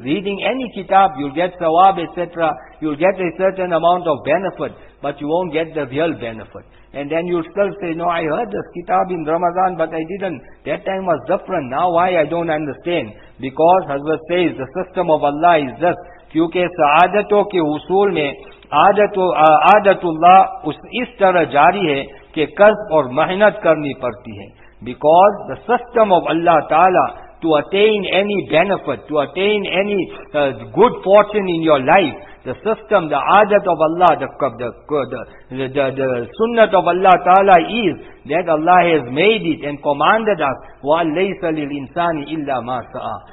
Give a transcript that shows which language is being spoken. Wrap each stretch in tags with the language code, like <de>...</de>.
<en>Reading any kitab, you'll get sawab, etc. You'll get a certain amount of benefit, but you won't get the real benefit. And then you'll still say, no, I heard this kitab in Ramadan, but I didn't. That time was different. Now why? I don't understand. Because Hazrat says the system of Allah is this.</en> <ur>کیونکہ سعادتوں کے حصول میں عادت اللہ اس طرح جاری ہے کہ کسب اور محنت کرنی پڑتی ہے.</ur> <en>Because the system of Allah Ta'ala to attain any benefit, to attain any good fortune in your life, the system, the adat of Allah, the sunnat of Allah Ta'ala is that Allah has made it and commanded us,</en> <ar>وَاللَّيْسَ لِلْإِنسَانِ إِلَّا مَا سَعَى.</ar>